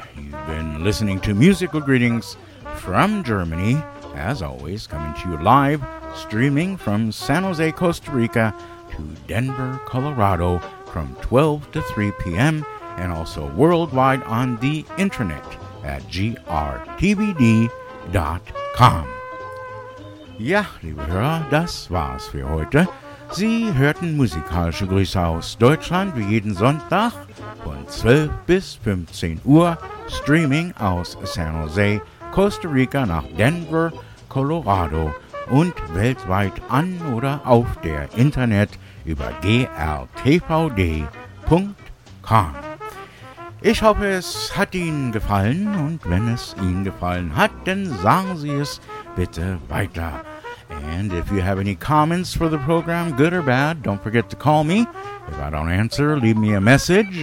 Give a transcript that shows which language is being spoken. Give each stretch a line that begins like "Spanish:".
English: You've been listening to Musical Greetings from Germany, as always, coming to you live, streaming from San Jose, Costa Rica, to Denver, Colorado, from 12 to 3 p.m., and also worldwide on the internet at grtvd.com.
German: Ja, liebe Hörer, das war's für heute. Sie hörten musikalische Grüße aus Deutschland wie jeden Sonntag von 12 bis 15 Uhr, streaming aus San Jose, Costa Rica nach Denver, Colorado und weltweit an oder auf der Internet über grtvd.com. Ich hoffe, es hat Ihnen gefallen, und wenn es Ihnen gefallen hat, dann sagen Sie es bitte weiter.
English: And if you have any comments for the program, good or bad, don't forget to call me. If I don't answer, leave me a message.